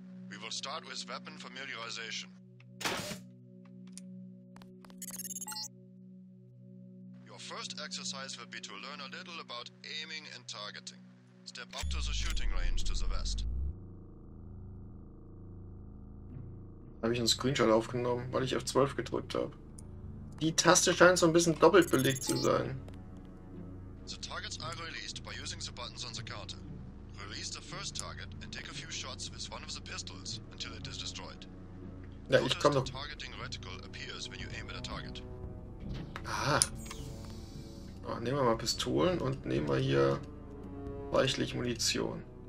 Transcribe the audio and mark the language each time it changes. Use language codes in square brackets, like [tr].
[en] We will start with weapon familiarization. First exercise will be to learn a little about aiming and targeting. Step up to the shooting range to the west. [de] Habe ich einen Screenshot aufgenommen, weil ich F12 gedrückt habe. Die Taste scheint so ein bisschen doppelt belegt zu sein. [en] The targets are released by using the buttons on the counter. Release the first target and take a few shots with one of the pistols until it is destroyed. [de] Ja, ich komme doch. [en] The targeting reticle appears when you aim at a target. Aha. [de] Nehmen wir mal Pistolen und nehmen wir hier reichlich Munition.